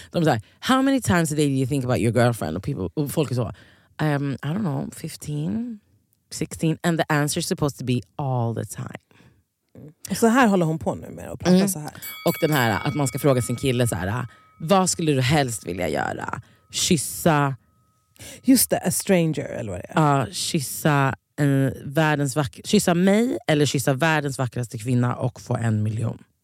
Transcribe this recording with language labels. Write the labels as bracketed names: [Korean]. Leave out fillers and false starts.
[Swedish] De säger, [English] how many times a day do you think about your girlfriend? [Swedish] Och people, och folk är så, [English] I don't know, [Swedish] 15, 16. [English] And the answer is supposed to be all the time. [Swedish] Så här håller hon på nu med att prata så här. Och den här, att man ska fråga sin kille så här, vad skulle du helst vilja göra? Kyssa. Just det, [English] a stranger [Swedish] eller vad det är. Kyssa en världens vackra, kyssa mig eller kyssa världens vackraste kvinna och få 1 miljon.